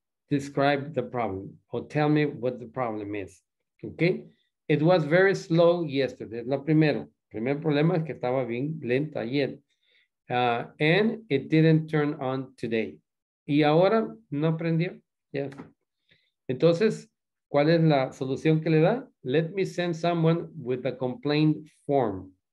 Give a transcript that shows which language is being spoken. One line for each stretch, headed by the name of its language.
English: Describe the problem or tell me what the problem is. Okay? It was very slow yesterday.
Spanish: Lo primero. El primer problema es que estaba bien lenta ayer.
English: And it didn't turn on today.
Spanish: Y ahora no prendió. Yes. Entonces, ¿cuál es la solución que le da?
English: Let me send someone with a complaint form.